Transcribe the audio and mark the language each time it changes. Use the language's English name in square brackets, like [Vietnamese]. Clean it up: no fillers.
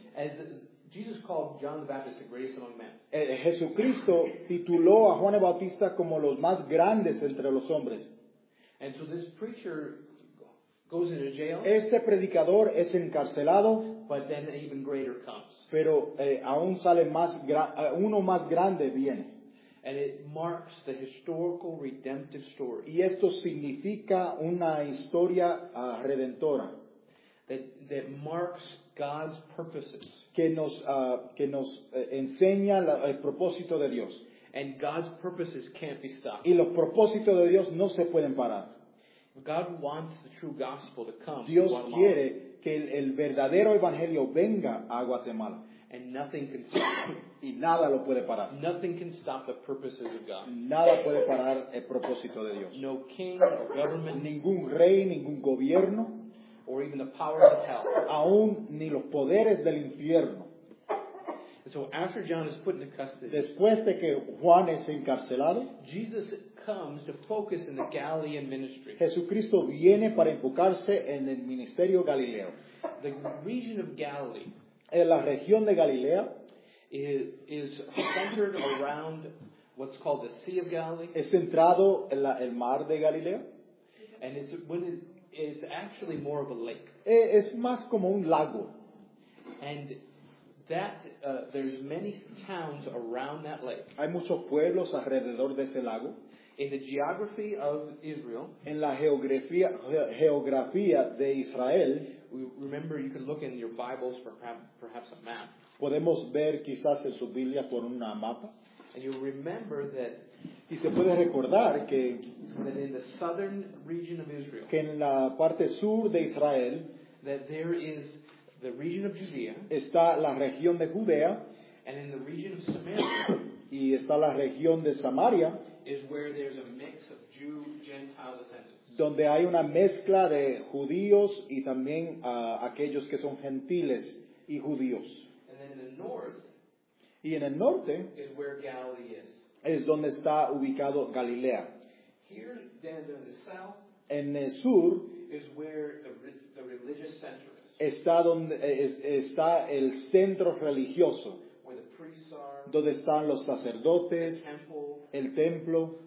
[English] As Jesus called John the Baptist the greatest among men. [Spanish] Jesucristo tituló a Juan el Bautista como los más grandes entre los hombres. [English] And so this preacher goes into jail. [Spanish] Este predicador es encarcelado. [English] But then an even greater comes. [Spanish] Pero aún sale más uno más grande viene. [English] And it marks the historical redemptive story. [Spanish] Y esto significa una historia redentora. [English] That marks God's purposes. [Spanish] Que nos enseña el propósito de Dios. [English] And God's purposes can't be stopped. [Spanish] Y los propósitos de Dios no se pueden parar. [English] God wants the true gospel to come. [Spanish] Dios quiere que el verdadero evangelio venga a Guatemala. [English] And nothing can stop. [Spanish] Y nada lo puede parar. [English] Nothing can stop the purposes of God. [Spanish] Nada puede parar el propósito de Dios. [English] No king, no government. [Spanish] Ningún rey, ningún gobierno. [English] Or even the powers of hell. [Spanish] Aún ni los poderes del infierno. [English] And so after John is put into custody. [Spanish] Después de que Juan es encarcelado. [English] Jesus comes to focus in the Galilean ministry. [Spanish] Jesucristo viene para enfocarse en el ministerio galileo. [English] The region of Galilee. [Spanish] En la región de Galilea. [English] Is centered around what's called the Sea of Galilee. [Spanish] Es centrado en el mar de Galilea. [English] And it's actually more of a lake. [Spanish] Es más como un lago. [English] And that there's many towns around that lake. [Spanish] Hay muchos pueblos alrededor de ese lago. [English] In the geography of Israel. [Spanish] En la geografía de Israel. [English] Remember, you can look in your Bibles for perhaps a map. [Spanish] Podemos ver quizás en su Biblia por un mapa. [English] And you remember that. [Spanish] Y se puede recordar que. [English] That in the southern region of Israel. [Spanish] Que en la parte sur de Israel. [English] That there is the region of Judea. [Spanish] Está la región de Judea. [English] And in the region of Samaria. [Spanish] Y está la región de Samaria. [English] Is where there's a mix of Jew-Gentile descendants. [Spanish] Donde hay una mezcla de judíos y también aquellos que son gentiles y judíos. [English] And then in the north, [Spanish] y en el norte [English] is where Galilee is. [Spanish] Es donde está ubicado Galilea. [English] Here, then, in the south, [Spanish] en el sur [English] is where the religious center is. [Spanish] Está donde está el centro religioso. [English] Where the priests are, [Spanish] donde están los sacerdotes, el templo,